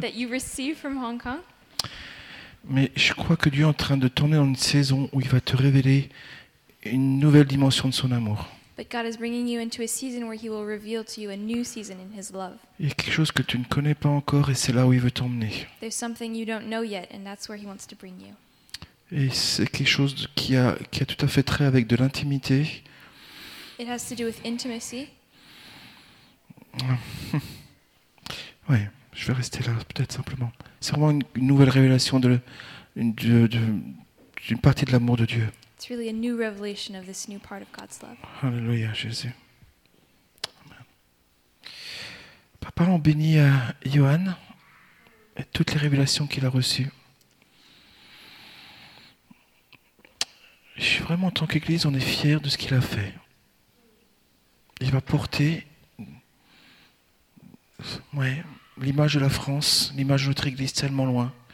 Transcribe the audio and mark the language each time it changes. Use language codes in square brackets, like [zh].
[en] That you receive from Hong Kong. [fr] Mais je crois que Dieu est en train de tourner dans une saison où il va te révéler une nouvelle dimension de son amour. [en] But God is bringing you into a season where he will reveal to you a new season in his love. [fr] Il y a quelque chose que tu ne connais pas encore et c'est là où il veut t'emmener. [en] There's something you don't know yet and that's where he wants to bring you. [fr] Et c'est quelque chose qui a tout à fait trait avec de l'intimité. [en] It has to do with intimacy. [fr] Ouais, je vais rester là peut-être simplement. C'est vraiment une nouvelle révélation d'une partie de l'amour de Dieu. [en] It's really a new revelation of this new part of God's love. [fr] Alléluia, Jésus. Amen. Papa, on bénit Johan et toutes les révélations qu'il a reçues. Je suis vraiment, en tant qu'Église, on est fiers de ce qu'il a fait. Il va porter l'image de la France, l'image de notre Église tellement loin.